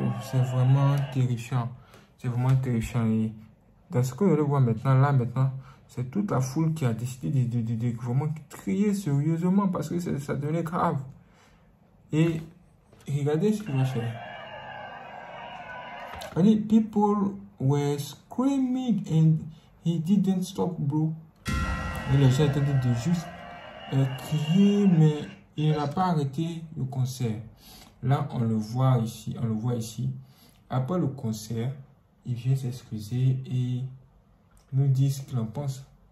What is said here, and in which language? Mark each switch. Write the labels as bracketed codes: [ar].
[fr] C'est vraiment terrifiant. C'est vraiment terrifiant. Et dans ce que vous allez voir maintenant, là, maintenant, c'est toute la foule qui a décidé de vraiment crier sérieusement parce que ça devenait grave. Et regardez ce que vous faites. Allez, [en] people were screaming and he didn't stop, bro. [fr] Et le chat était de juste crier, mais il n'a pas arrêté le concert. Là, on le voit ici, on le voit ici. Après le concert, il vient s'excuser et nous dit ce qu'il en pense.